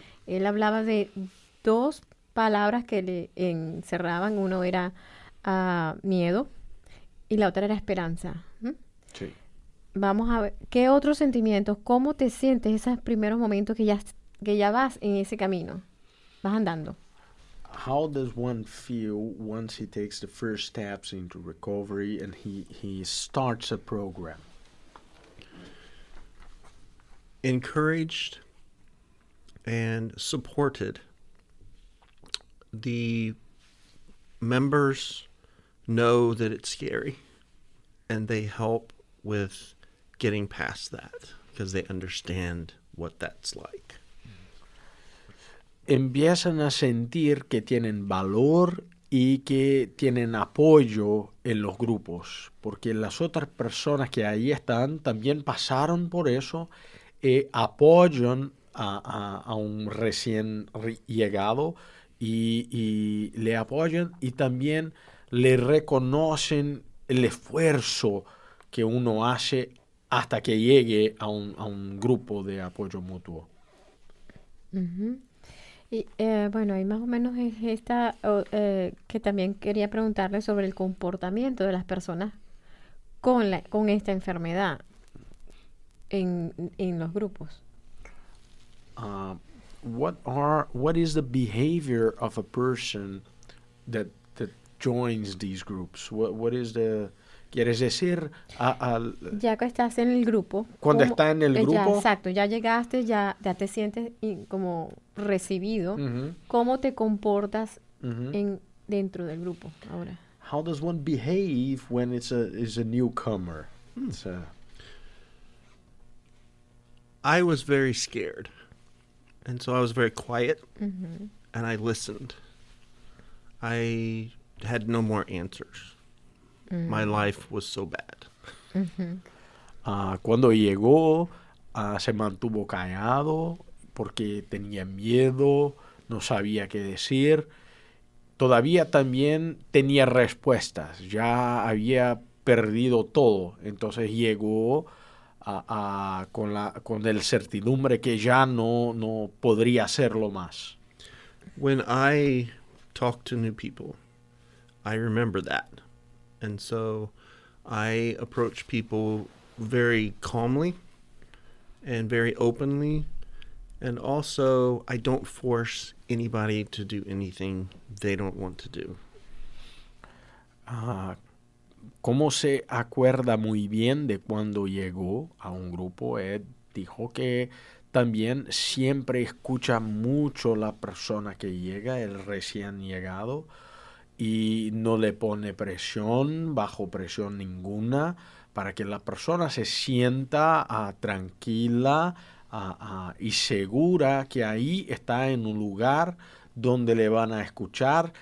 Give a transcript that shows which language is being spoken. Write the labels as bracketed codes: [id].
[es] Él hablaba de dos palabras que le encerraban. Uno era miedo y la otra era esperanza. Sí. Vamos a ver, ¿qué otros sentimientos? ¿Cómo te sientes esos primeros momentos que ya vas en ese camino? Vas andando. [en] How does one feel once he takes the first steps into recovery and he starts a program? Encouraged and supported. The members know that it's scary and they help with getting past that because they understand what that's like. [es] Empiezan a sentir que tienen valor y que tienen apoyo en los grupos, porque las otras personas que ahí están también pasaron por eso y apoyan a un recién llegado y le apoyan y también le reconocen el esfuerzo que uno hace hasta que llegue a un grupo de apoyo mutuo. Mm-hmm. Y bueno, ahí más o menos es esta que también quería preguntarle sobre el comportamiento de las personas con esta enfermedad en los grupos. [en] What is the behavior of a person that joins these groups? [es] ¿Quieres decir? Ya que estás en el grupo. Cuando estás en el grupo. Exacto, ya llegaste, ya te sientes como recibido. Uh-huh. ¿Cómo te comportas uh-huh. dentro del grupo ahora? [en] How does one behave when it's a newcomer? I was very scared. And so I was very quiet. Uh-huh. And I listened. I had no more answers. Mm-hmm. My life was so bad. Mm-hmm. [es] Cuando llegó, se mantuvo callado porque tenía miedo, no sabía qué decir. Todavía también tenía respuestas. Ya había perdido todo. Entonces llegó con el certidumbre que ya no podría hacerlo más. [en] When I talk to new people, I remember that. And so I approach people very calmly and very openly. And also, I don't force anybody to do anything they don't want to do. [es] ¿Cómo se acuerda muy bien de cuando llegó a un grupo? Ed dijo que también siempre escucha mucho la persona que llega, el recién llegado. Y no le pone presión, bajo presión ninguna, para que la persona se sienta tranquila y segura que ahí está en un lugar donde le van a escuchar.